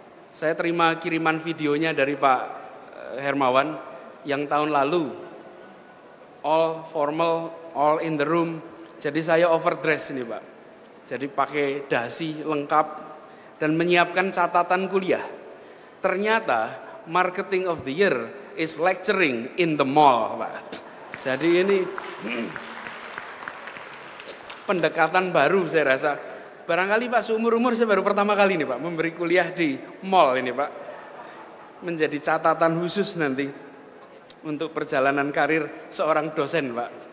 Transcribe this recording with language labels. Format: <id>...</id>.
<id>Saya terima kiriman videonya dari Pak Hermawan yang tahun lalu.</id> <en>All formal, all in the room.</en> <id>Jadi saya overdress ini, Pak. Jadi pakai dasi lengkap dan menyiapkan catatan kuliah.</id> <en>Ternyata Marketing of the Year is lecturing in the mall, Pak.</en> <id>Jadi ini pendekatan baru saya rasa. Barangkali Pak seumur-umur saya baru pertama kali ini, Pak, memberi kuliah di mall ini, Pak. Menjadi catatan khusus nanti untuk perjalanan karir seorang dosen, Pak.</id>